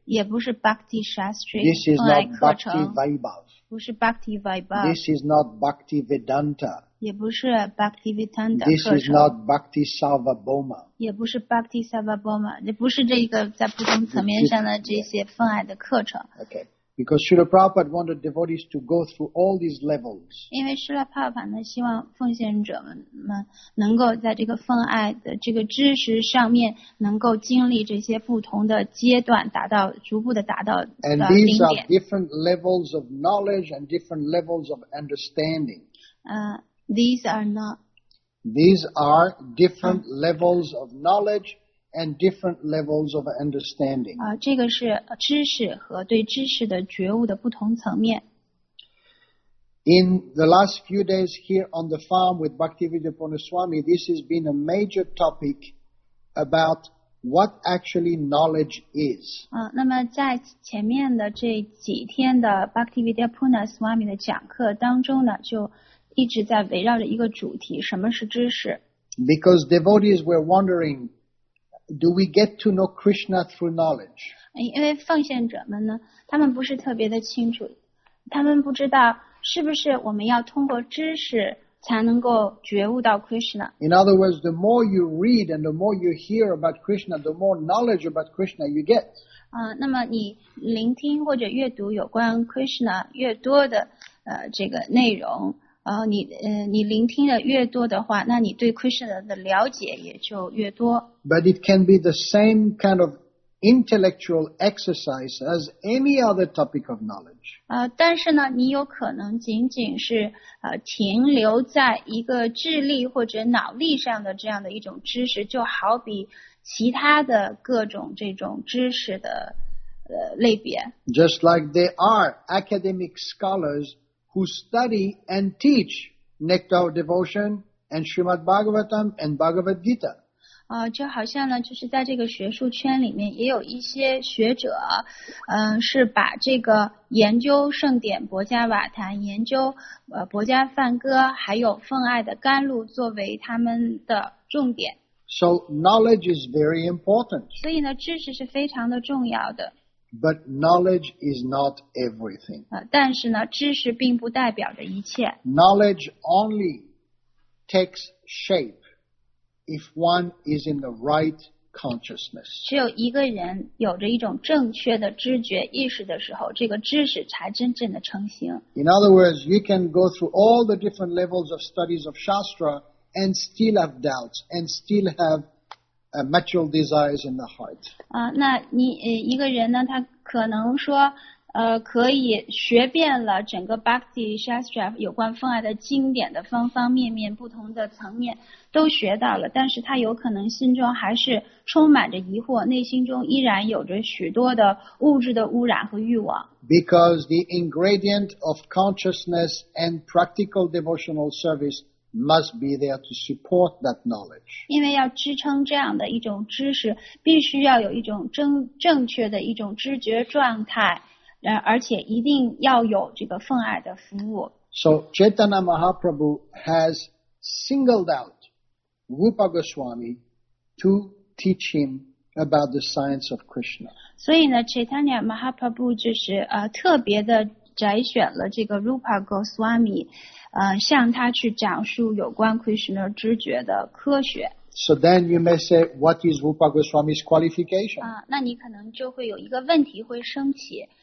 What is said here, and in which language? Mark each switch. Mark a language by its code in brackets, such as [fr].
[zh] 也不是 Bhakti Shastri. [en] This is not Bhakti Vaibhav. [zh] 不是 Bhakti Vaibhav. [en] This is not Bhakti Vedanta. [zh] 也不是 Bhakti Vedanta 课程。 [en] This is not Bhakti Savaboma. [zh] 也不是 Bhakti Savaboma. 也不是这个在不同层面上的这些奉爱的课程。 [en] Okay. Because Srila Prabhupada wanted devotees to go through all these levels. [zh] 因为 Srila Prabhupada 希望奉献者们能够在这个奉爱的这个知识上面能够经历这些不同的阶段，达到逐步的达到顶点。 [en] And these are different levels of knowledge and different levels of understanding. These are different levels of knowledge and different levels of understanding. [zh] 这个是知识和对知识的觉悟的不同层面。 [en] In the last few days here on the farm with Bhaktivedanta Purnaswami, this has been a major topic about what actually knowledge is. [zh] 那么在前面的这几天的 Bhaktivedanta Purnaswami 的讲课当中呢，就一直在围绕着一个主题，什么是知识？ [en] Because devotees were wondering, do we get to know Krishna through knowledge? [zh] 因为奉献者们呢，他们不是特别的清楚，他们不知道是不是我们要通过知识才能够觉悟到 Krishna。 [en] In other words, the more you read and the more you hear about Krishna, the more knowledge about Krishna you get。 [zh] 那么你聆听或者阅读有关 Krishna 越多的这个内容，你聆听的越多的话，那你对 Krishna 的了解也就越多。 [en] But it can be the same kind of intellectual exercise as any other topic of knowledge. [zh] 但是呢，你有可能仅仅是停留在一个智力或者脑力上的这样的一种知识，就好比其他的各种这种知识的类别。 [en] Just like there are academic scholars who study and teach nectar devotion and Srimad Bhagavatam and Bhagavad Gita. [zh] 就好像呢，就是在这个学术圈里面，也有一些学者，是把这个研究圣典《薄伽瓦坛》、研究《薄伽梵歌》还有《奉爱的甘露》作为他们的重点。 [en] So knowledge is very important. [zh] 所以呢，知识是非常的重要的。 [en] But knowledge is not everything. [zh] 但是呢，知识并不代表着一切。 [en] Knowledge only takes shape if one is in the right consciousness. [zh] 只有一个人有着一种正确的知觉意识的时候，这个知识才真正的成型。 [en] In other words, you can go through all the different levels of studies of Shastra and still have doubts and still have material desires in the heart. [zh] 那你一个人呢，他可能说可以学遍了整个 Bhakti Shastra 有关奉爱的经典的方方面面，不同的层面都学到了，但是他有可能心中还是充满着疑惑，内心中依然有着许多的物质的污染和欲望。 [en] Because the ingredient of consciousness and practical devotional service must be there to support that knowledge. [zh] 因为要支撑这样的一种知识，必须要有一种正确的一种知觉状态，而且一定要有这个奉爱的服务。 [en] So Chaitanya Mahaprabhu has singled out Rupa Goswami to teach him about the science of Krishna. [zh] 所以呢 ，Chaitanya Mahaprabhu 就是特别的摘选了这个 Rupa Goswami， 向他去讲述有关 Krishna 知觉的科学。 [en] So then you may say, what is Rupa Goswami's qualification? [zh] 那你可能就会有一个问题会升起。